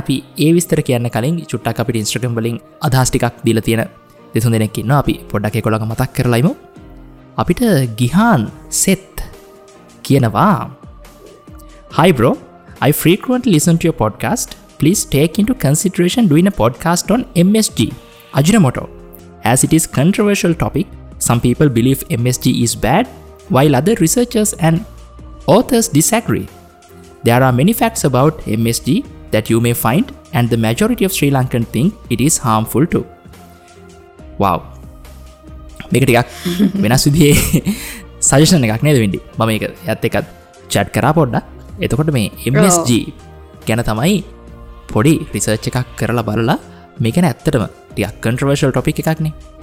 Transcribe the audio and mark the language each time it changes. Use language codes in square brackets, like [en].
[si] අපි ඒ විස්තර කියන්න කලින් චුට්ටක් අපිට Instagram වලින් අදහස් ටිකක් දීලා තියෙන දෙතුන් දෙනෙක් ඉන්නවා. අපි පොඩ්ඩක් ඒකලඟ මතක් කරලා ඉමු. අපිට ගිහාන් සෙත් කියනවා, [en] "Hi bro, I frequently listen to your podcast. Please take into consideration doing a podcast on MSG, Ajinomoto. As it is controversial topic, some people believe MSG is bad, while other researchers and authors disagree. There are many facts about MSG that you may find, and the majority of Sri Lankans think it is harmful too." Wow. [si] මේක ටිකක් වෙනස් විදිහේ suggestion එකක් නේද වෙන්නේ. මම මේක යත් එක්ක chat කරා පොඩ්ඩක්. එතකොට මේ MSG ගැන තමයි පොඩි රිසර්ච් එකක් කරලා බලලා, මේක නේ ඇත්තටම ටිකක් controversial topic එකක්නේ.